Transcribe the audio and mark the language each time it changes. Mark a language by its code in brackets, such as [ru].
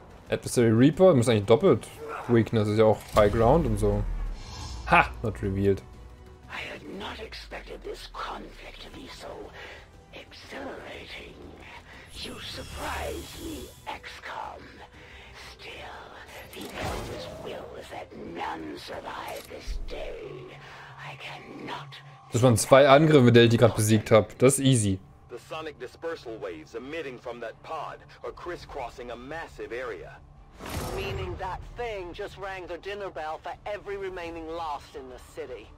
[de] Adversary Reaper, muss eigentlich doppelt weakness, ist ja auch High Ground und so. [en] Ha! Not revealed. I had not expected this conflict to be so exhilarating. You surprise me, XCOM. Still, the Elder's will is that none survive this day. I cannot. [de] Das waren zwei Angriffe, die ich gerade besiegt habe. Das ist easy. [en] The sonic dispersal waves emitting from that pod are crisscrossing a massive area. Meaning that thing just rang the dinner bell for every remaining lost in the city.